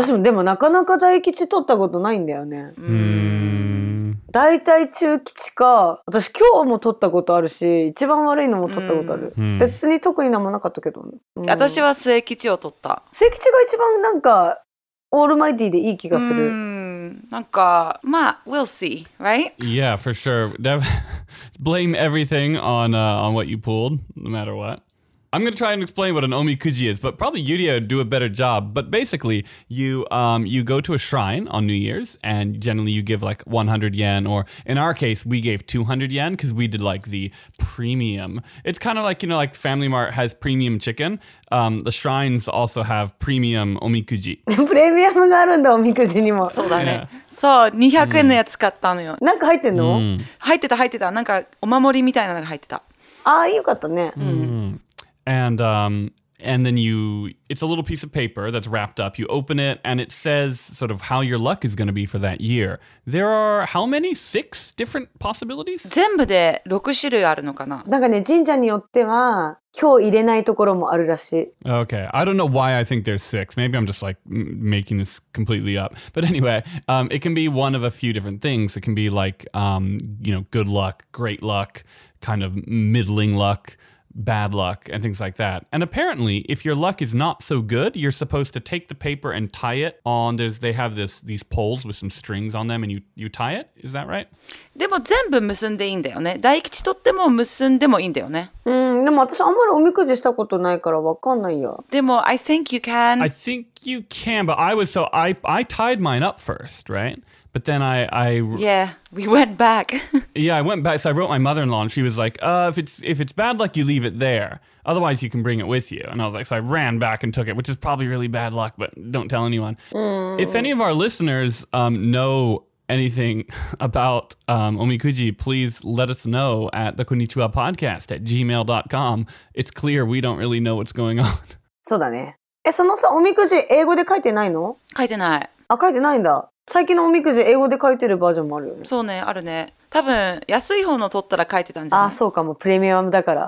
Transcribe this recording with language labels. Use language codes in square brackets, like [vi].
[ja] でもなかなか大吉取ったことないんだよね。大体中吉か、私今日も取ったことあるし、一番悪いのも取ったことある。別に特になんもなかったけど、私は末吉を取った。末吉が一番なんかオールマイティでいい気がする。なんかまあ [en] we'll see, right? Yeah, for sure. Blame everything on what you pulled, no matter what. I'm going to try and explain what an omikuji is, but probably Yurie would do a better job. But basically, you go to a shrine on New Year's, and generally you give like 100 yen, or in our case, we gave 200 yen because we did like the premium. It's kind of like, you know, like Family Mart has premium chicken. The shrines also have premium omikuji. [ja] Premium があるんだ、omikuji にも。そうだね。そう、200円のやつ買ったのよ。なんか入ってんの？入ってた。なんかお守りみたいなのが入ってた。ああ、よかったね。 [en] And then it's a little piece of paper that's wrapped up. You open it, and it says sort of how your luck is going to be for that year. There are how many? 6 different possibilities? [ja] 全部で6種類あるのかな？なんかね、神社によっては今日入れないところもあるらしい。 [en] Okay, I don't know why I think there's 6. Maybe I'm just like making this completely up. But anyway, it can be one of a few different things. It can be like, you know, good luck, great luck, kind of middling luck. Bad luck and things like that. And apparently, if your luck is not so good, you're supposed to take the paper and tie it on. They have these poles with some strings on them, and you tie it. Is that right? [ja] でも全部結んでいいんだよね。大吉取っても結んでもいいんだよね。うん、でも私あんまりおみくじしたことないからわかんないよ。でも [en] I think you can. I think you can, but I was so I tied mine up first, right? But then I... Yeah, we went back. Yeah, I went back. So I wrote my mother-in-law and she was like, if it's bad luck, you leave it there. Otherwise, you can bring it with you. And I was like, so I ran back and took it, which is probably really bad luck, but don't tell anyone. Mm. If any of our listeners know anything about omikuji, please let us know at the Konnichiwa Podcast at gmail.com. It's clear we don't really know what's going on. [ja] そうだね。え、そのさ、おみくじ英語で書いてないの? 書いてない。あ、書いてないんだ。最近のおみくじ英語で書いてるバージョンもあるよね。そうね、あるね。多分安い方の取ったら書いてたんじゃない。あ、そうかも。プレミアムだから。